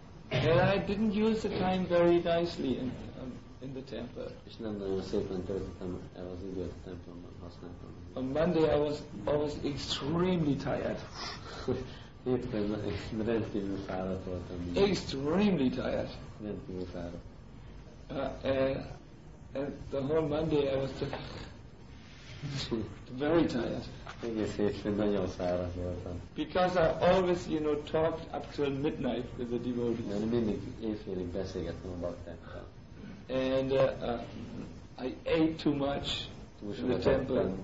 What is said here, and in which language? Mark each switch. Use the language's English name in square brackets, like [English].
[English] And I didn't use the time very nicely in the temple. [Hungarian] És nem nagyon szépen töltöttem el az időt a templomban, használtam. [English] On Monday I was extremely tired. [Hungarian] Éppen rendkívül fáradt voltam. [English] Extremely tired. [Hungarian] Rendkívül fáradt. [English] The whole Monday I was just very tired. [Hungarian] Egész hétfőn nagyon fáradt voltam. [English] Because I always, you know, talked up till midnight with the devotees. [Hungarian] Én mindig éjfélig beszélgettem a baktákkal. [English] And I ate too much in the temple.